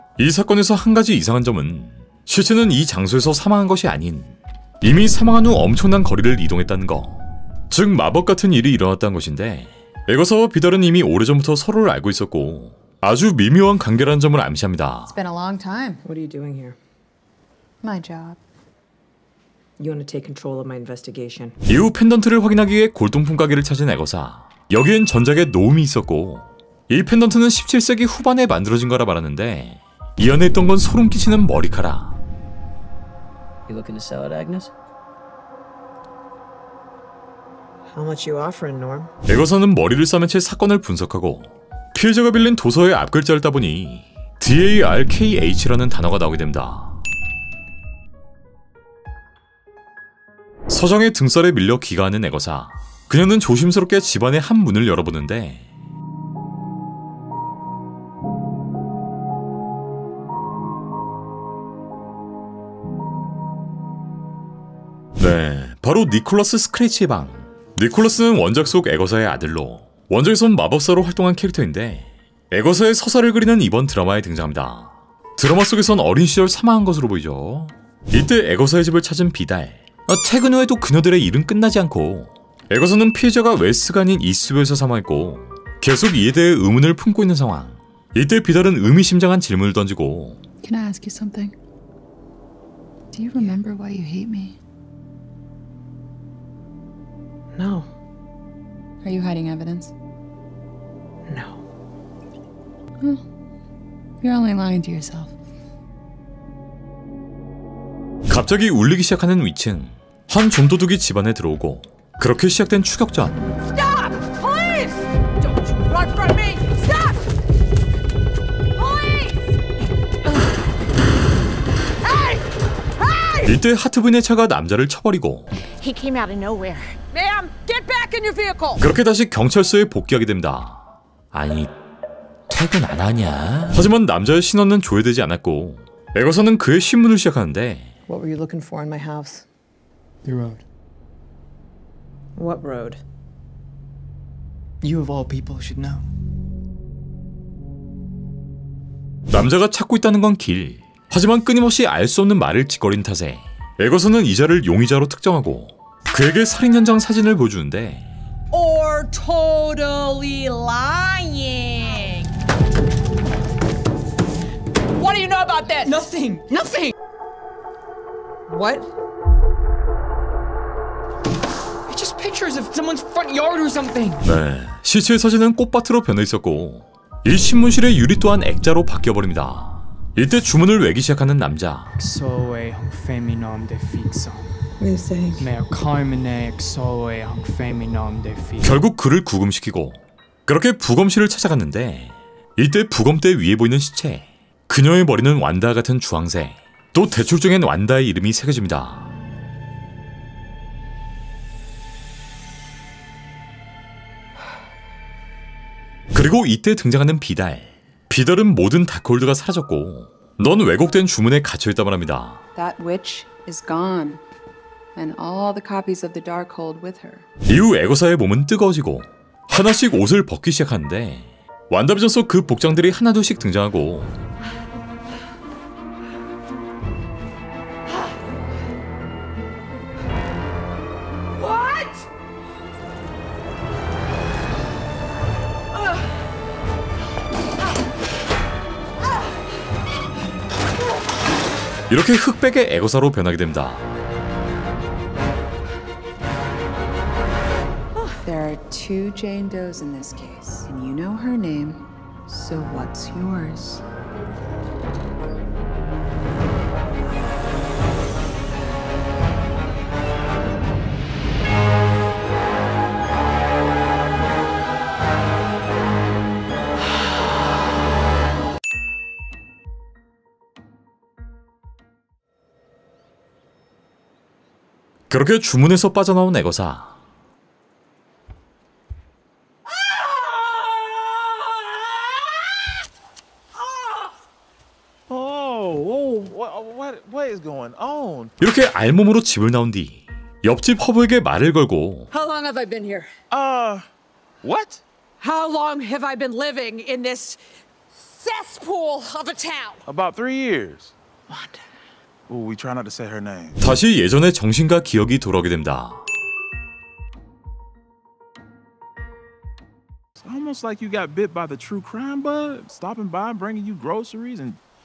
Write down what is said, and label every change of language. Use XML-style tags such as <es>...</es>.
<ko>이 사건에서 한 가지 이상한 점은 실체는 이 장소에서 사망한 것이 아닌 이미 사망한 후 엄청난 거리를 이동했다는 거. 즉 마법 같은 일이 일어났다는 것인데, 애거사와 비달은 이미 오래전부터 서로를 알고 있었고 아주 미묘한 관계라는 점을 암시합니다.</ko> <en>It's been a long time. What are you doing here? My job. You want to take control of my investigation.</en> <ko>이후 펜던트를 확인하기 위해 골동품 가게를 찾은 애거사. 여기엔 전작의 노움이 있었고, 이 펜던트는 17세기 후반에 만들어진 거라 말하는데, 이 안에 있던 건 소름 끼치는 머리카락.</ko> <en>You looking to sell it, Agnes? How much you offering, Norm?</en> <ko>애거사는 머리를 싸맨 채 사건을 분석하고, 피해자가 빌린 도서의 앞글자를 따보니 DARKH라는 단어가 나오게 됩니다. 서장의 등살에 밀려 기가하는 애거사. 그녀는 조심스럽게 집안의 한 문을 열어보는데, 네, 바로 니콜라스 스크래치의 방. 니콜라스는 원작 속 애거사의 아들로, 원작에선 마법사로 활동한 캐릭터인데, 애거사의 서사를 그리는 이번 드라마에 등장합니다. 드라마 속에선 어린 시절 사망한 것으로 보이죠. 이때 애거사의 집을 찾은 비달. 퇴근 후에도 그녀들의 일은 끝나지 않고, 애거사는 피해자가 웨스가 아닌 이스뷰에서 사망했고 계속 이에 대해 의문을 품고 있는 상황. 이때 비달은 의미심장한 질문을 던지고,</ko> <en>Can I ask you something? Do you remember why you hate me? No. Are you hiding evidence? No. Well, you're only lying to yourself.</en> <ko>갑자기 울리기 시작하는 위층. 한 좀도둑이 집안에 들어오고, 그렇게 시작된 추격전.</ko> <en>Stop! Police! Don't you run from me! Stop! Police! Hey! Hey!</en> <ko>이때 하트빈의 차가 남자를 쳐버리고,</ko> <en>He came out of nowhere. Ma'am, get back in your vehicle!</en> <ko>그렇게 다시 경찰서에 복귀하게 됩니다. 아니, 퇴근 안 하냐? 하지만 남자의 신원은 조회되지 않았고, 애거사는 그의 신문을 시작하는데,</ko> <en>What were you looking for in my house? The road. What road? You of all people should know.</en> <ko>남자가 찾고 있다는 건 길. 하지만 끊임없이 알 수 없는 말을 짓거린 탓에 애거사는 이자를 용의자로 특정하고 그에게 살인 현장 사진을 보여주는데,</ko> <en>Or totally lying. What do you know about this? Nothing. Nothing. What? Pictures of someone's front yard or something.</en> <ko>네, 시체의 사진은 꽃밭으로 변해 있었고, 이 신문실의 유리 또한 액자로 바뀌어 버립니다. 이때 주문을 외기 시작하는 남자. Exoe hung feminam de fixam.</ko> <en>We're saying. Mayor Carmine exoe hung feminam de fixam.</en> <ko>결국 그를 구금시키고 그렇게 부검실을 찾아갔는데, 이때 부검대 위에 보이는 시체, 그녀의 머리는 완다 같은 주황색, 또 대출증엔 완다의 이름이 새겨집니다. 그리고 이때 등장하는 비달. 비달은 모든 다크홀드가 사라졌고 넌 왜곡된 주문에 갇혀있다 말합니다.</ko> <en>That witch is gone. And all the copies of the Darkhold with her.</en> <ko>이후 에고사의 몸은 뜨거워지고 하나씩 옷을 벗기 시작하는데 완다비전 속 그 복장들이 하나둘씩 등장하고 이렇게 흑백의 에고사로 변하게 됩니다.</ko> <en>There are two Jane Does in this case, and you know her name, so what's yours?</en> <ko>그렇게 주문에서 빠져나온 에고사. 이렇게 알몸으로 집을 나온 뒤 옆집 허브에게 말을 걸고</ko> <en>How long have I been here? What? How long have I been living in this cesspool of a town? About 3 years. What? Oh, we try not to say her name.</en> <ko>다시 예전의 정신과 기억이 돌아오게 됩니다.</ko> <en>It's almost like you got bit by the true crime bug, stopping by and bringing you groceries and</en>